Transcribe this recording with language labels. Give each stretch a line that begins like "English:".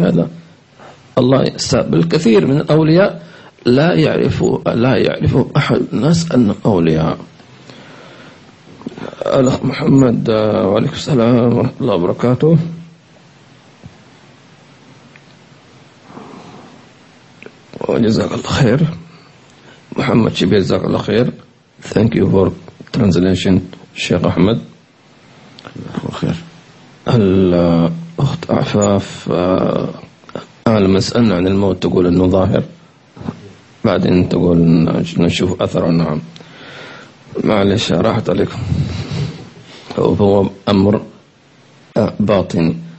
Arabic: هذا الله يسأل الكثير من الأولياء لا يعرف أحد الناس أنهم أولياء. الأخ محمد، وعليكم السلام ورحمة الله وبركاته. جزاك الله خير محمد شبير، جزاك الله خير.
English: Thank you for translation شيخ أحمد.
Arabic: خير. الأخت عفاف، لما سألنا عن الموت تقول أنه ظاهر، بعدين تقول نشوف أثره. نعم، معلش راحت عليكم، هو أمر باطن.